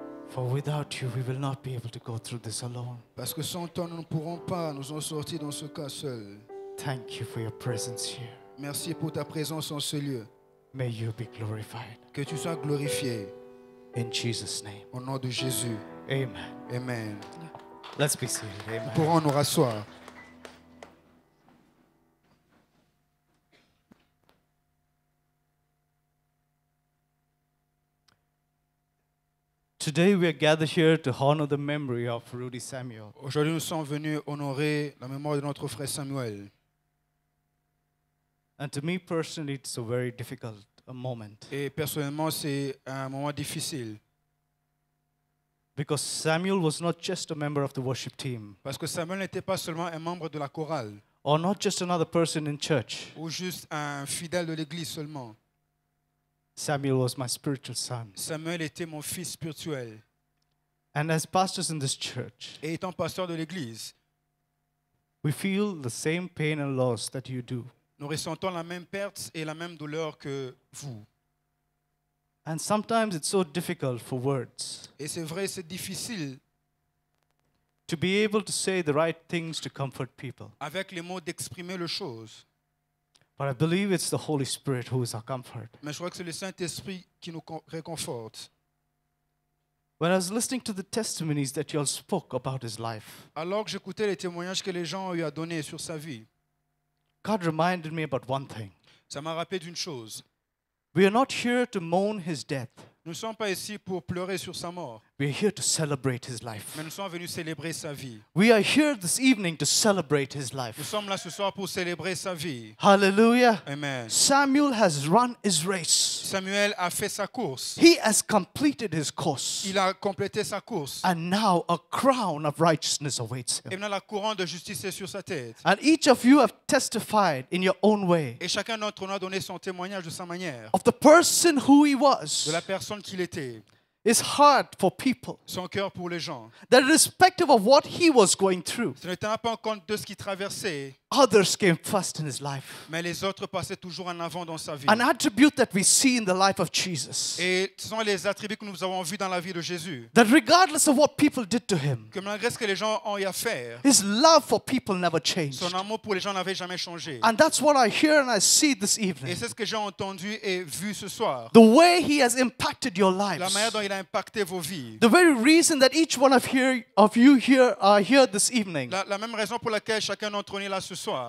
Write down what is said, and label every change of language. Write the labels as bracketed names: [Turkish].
[English] For without you, we will not be able to go through this alone. [French] Parce que sans toi, nous ne pourrons pas nous en sortir dans ce cas seul. [English] Thank you for your presence here. [French] Merci pour ta présence en ce lieu. [English] May you be glorified. [French] Que tu sois glorifié. [English] In Jesus' name. [French] Au nom de Jésus. [English] Amen. [French] Amen. [English] Let's be seated. Amen. [French] Nous pourrons nous rasseoir. [English] Today we are gathered here to honor the memory of Rudy Samuel. [French] Aujourd'hui nous sommes venus honorer la mémoire de notre frère Samuel. [English] And to me personally, it's a very difficult moment. [French] Et personnellement, c'est un moment difficile. [English] Because Samuel was not just a member of the worship team. [French] Parce que Samuel n'était pas seulement un membre de la chorale. [English] Or not just another person in church. [French] Ou juste un fidèle de l'église seulement. [English] Samuel was my spiritual son. [French] Samuel était mon fils spirituel. [English] And as pastors in this church, [French] et étant pasteur de l'église, [English] we feel the same pain and loss that you do. [French] Nous ressentons la même perte et la même douleur que vous. [English] And sometimes it's so difficult for words. [French] Et c'est vrai, c'est difficile. [English] To be able to say the right things to comfort people. [French] Avec les mots d'exprimer le chose. [English] But I believe it's the Holy Spirit who is our comfort. [French] Mais je crois que c'est le Saint-Esprit qui nous réconforte. [English] When I was listening to the testimonies that y'all spoke about his life. [French] Alors que j'écoutais les témoignages que les gens ont eu à donner sur sa vie. [English] God reminded me about one thing. [French] Ça m'a rappelé d'une chose. [English] We are not here to mourn his death. [French] Nous ne sommes pas ici pour pleurer sur sa mort. [English] We are here to celebrate his life. [French] Mais nous sommes venus célébrer sa vie. [English] We are here this evening to celebrate his life. [French] Nous sommes là ce soir pour célébrer sa vie. [English] Hallelujah. [French] Amen. [English] Samuel has run his race. [French] Samuel a fait sa course. [English] He has completed his course. [French] Il a complété sa course. [English] And now a crown of righteousness awaits him. [French] Et maintenant la couronne de justice est sur sa tête. [English] And each of you have testified in your own way. [French] Et chacun d'entre nous a donné son témoignage de sa manière. [English] Of the person who he was. [French] De la personne qu'il était. [English] His heart for people. [French] Son cœur pour les gens. [English] That irrespective of what he was going through. [French] Ce n'était pas en compte de ce qu'il traversait. [English] Others came first in his life. [French] Mais les autres passaient toujours en avant dans sa vie. [English] An attribute that we see in the life of Jesus. [French] Et ce sont les attributs que nous avons vus dans la vie de Jésus. [English] That regardless of what people did to him. [French] Que malgré ce que les gens ont eu à faire. [English] His love for people never changed. [French] Son amour pour les gens n'avait jamais changé. [English] And that's what I hear and I see this evening. [French] Et c'est ce que j'ai entendu et vu ce soir. [English] The way he has impacted your lives. [French] La manière dont il a impacté vos vies. [English] The very reason that each one of you here this evening. [French] La même raison pour laquelle chacun d'entre nous est là ce soir.